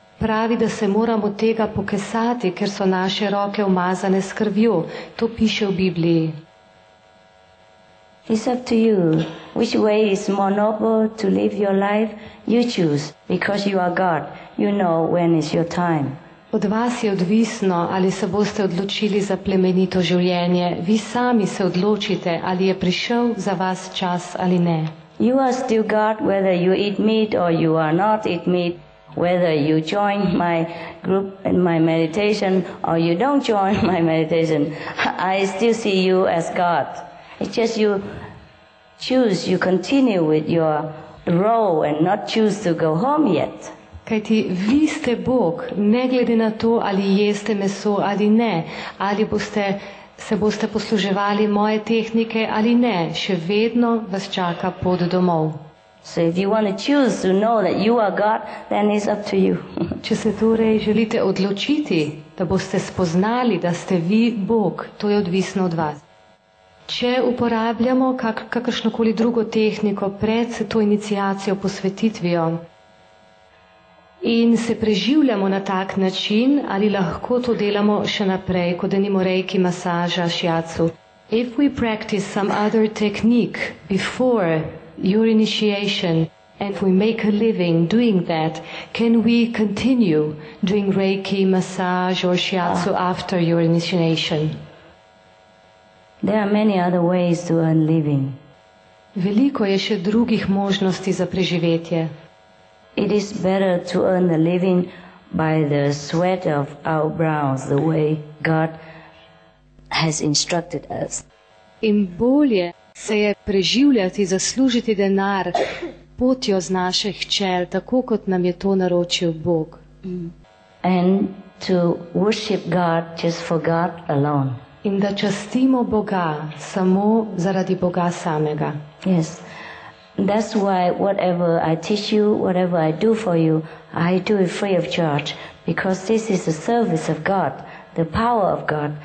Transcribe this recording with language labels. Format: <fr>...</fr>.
<sl>Pravi, da se moramo tega pokesati, ker so naše roke umazane s krvjo. To piše v Bibliji.</sl> <en>It's up to you. Which way is more noble to live your life? You choose, because you are God. You know when is your time.</en> <sl>Od vas je odvisno, ali se boste odločili za plemenito življenje. Vi sami se odločite, ali je prišel za vas čas ali ne.</sl> <en>You are still God, whether you eat meat or you are not eat meat, whether you join my group and my meditation or you don't join my meditation. I still see you as God. It's just you choose, you continue with your role and not choose to go home yet.</en> <sl>Kajti vi ste Bog, ne glede na to, ali jeste meso ali ne, ali se boste posluževali moje tehnike ali ne, še vedno vas čaka pot domov.</sl> <en>So if you want to choose to know that you are God, then it's up to you.</en> <sl>Če se torej želite odločiti, da boste spoznali, da ste vi Bog, to je odvisno od vas. Če uporabljamo kakršnokoli drugo tehniko pred to iniciacijo posvetitvijo in se preživljamo na tak način, ali lahko to delamo še naprej, kot denimo reiki masaža, shiatsu?</sl> <en>If we practice some other technique before your initiation and we make a living doing that, can we continue doing reiki massage or shiatsu after your initiation? There are many other ways to earn living.</en> <sl>Veliko je še drugih možnosti za preživetje.</sl> <en>It is better to earn a living by the sweat of our brows, the way God has instructed us.</en> <sl>In bolje se je preživljati, zaslužiti denar potjo z naših čel, tako kot nam je to naročil Bog.</sl> <en>And to worship God just for God alone.</en> <sl>In da častimo Boga samo zaradi Boga samega.</sl> <en>Yes. That's why whatever I teach you, whatever I do for you, I do it free of charge, because this is the service of God, the power of God.</en>